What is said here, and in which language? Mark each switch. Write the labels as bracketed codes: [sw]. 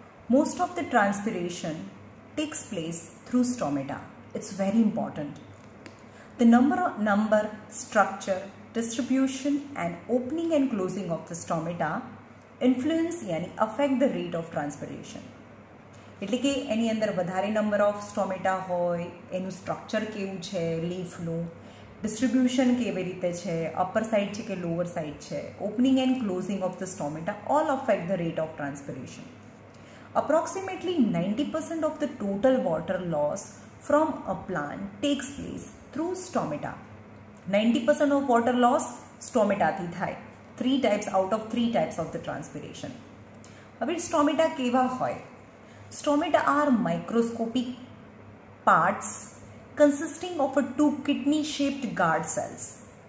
[en] Most of the transpiration takes place through stomata. It's very important. The number, structure, distribution and opening and closing of the stomata influence yani affect the rate of transpiration. [gu] એટલે કે એની અંદર વધારે [en] number of stomata હોય, એનું structure [gu] કેવું છે, [en] લીફનું ડિસ્ટ્રીબ્યુશન [gu] કેવી રીતે છે, [en] Upper side છે કે lower side છે, opening and closing of the stomata all affect the rate of transpiration. Approximately 90% of the total water loss from a plant takes place through stomata. 90% of water loss [gu] સ્ટોમેટાથી થાય, [en] Three types out of three types of the transpiration. [gu] હવે સ્ટોમેટા કેવા હોય? [en] Stomata are microscopic parts consisting of a two kidney shaped guard cells.